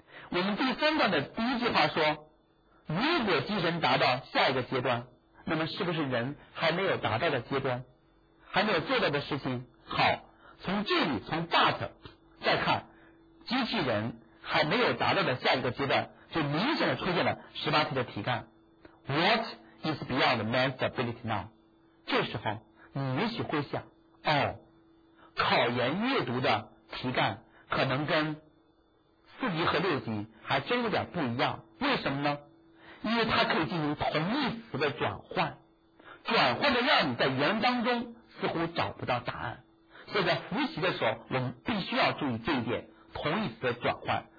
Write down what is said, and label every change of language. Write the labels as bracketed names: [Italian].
[Chinese] 我们第三段的第一句话说，如果机器人达到下一个阶段，那么是不是人还没有达到的阶段，还没有做到的事情？好，从这里从 but 再看机器人还没有达到的下一个阶段，就明显的出现了十八题的题干。 [English] What is beyond man's ability now？ [Chinese] 这时候你也许会想，哦，考研阅读的题干可能跟四级和六级还真有点不一样。为什么呢？因为它可以进行同义词的转换，转换的让你在原文当中似乎找不到答案。所以在复习的时候，我们必须要注意这一点，同义词的转换。